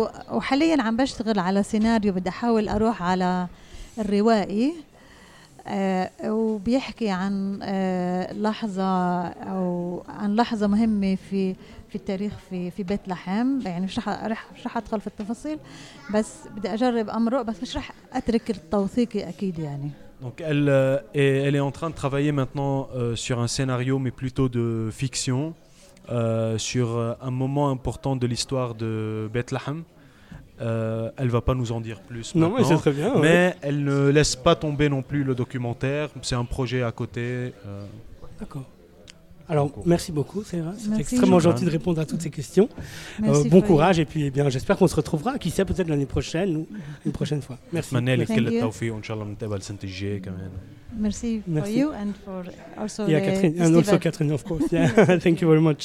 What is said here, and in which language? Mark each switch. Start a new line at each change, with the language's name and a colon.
Arabic: وحاليا عم بشتغل على سيناريو بدي احاول اروح على الروائي وبيحكي عن لحظه او عن لحظه مهمه في التاريخ في بيت لحم يعني مش رح ادخل في التفاصيل بس بدي اجرب امره بس مش رح اترك التوثيق اكيد يعني
French: donc elle est en train de travailler maintenant sur un scénario mais plutôt de fiction sur un moment important de l'histoire de Bethlehem. Elle ne va pas nous en dire plus. Non, mais c'est très bien. Ouais. Mais elle ne laisse pas tomber non plus le documentaire. C'est un projet à côté. D'accord. Alors, merci beaucoup, Sarah. C'est extrêmement gentil de répondre à toutes ces questions. Bon courage et puis eh bien, j'espère qu'on se retrouvera, qui sait, peut-être l'année prochaine ou une prochaine fois. Merci. Manel, quel est le taufi, Inch'Allah, on te va le Saint-Égier quand même. Merci pour vous et pour aussi Catherine. Et à Catherine,
English: of course. Yeah. Thank you very much.